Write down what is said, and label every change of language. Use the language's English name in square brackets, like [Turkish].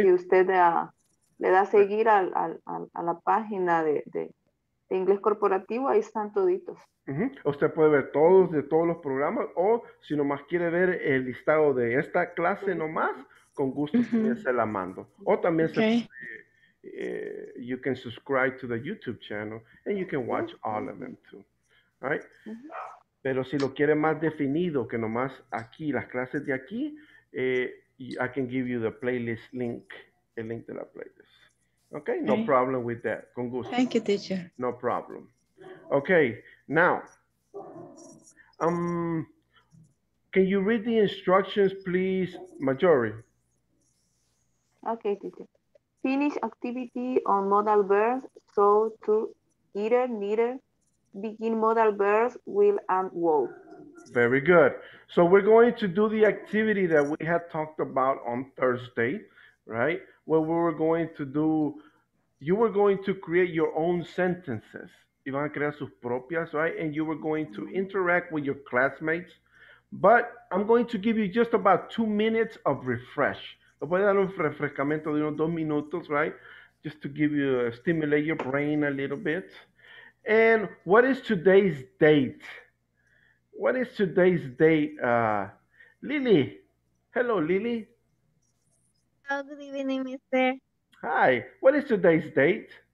[Spanish] Si usted le da a seguir a la página de Inglés Corporativo, ahí están toditos. Uh-huh. Usted puede ver todos de todos los programas, o si nomás quiere ver el listado de esta clase nomás, con gusto se la mando. O también [English] okay. Se you can subscribe to the YouTube channel and you can watch all of them too. [Spanish] Right? Uh-huh. Pero si lo quiere más definido que nomás aquí, las clases de aquí, [English] I can give you the playlist link, [Spanish] el link de la playlist. [English] Okay, no problem with that. [Spanish] Con gusto. [English] Thank you, teacher. No problem. Okay, now, can you read the instructions, please, Majori? Okay, teacher. Finish activity on modal verbs, so to either, neither. Begin modal verbs, will, and woe. Very good. So we're going to do the activity that we had talked about on Thursday, right? Where we were going to do, you were going to create your own sentences. [Spanish] You van a crear sus propias, [English] right? And you were going to interact with your classmates. But I'm going to give you just about 2 minutes of refresh. [Spanish] Voy a dar un refrescamiento de unos 2 minutos, right? [English] Just to give you, stimulate your brain a little bit. And what is today's date? What is today's date? Lily. Hello, Lily. Oh, good evening, mister. Hi. What is today's date?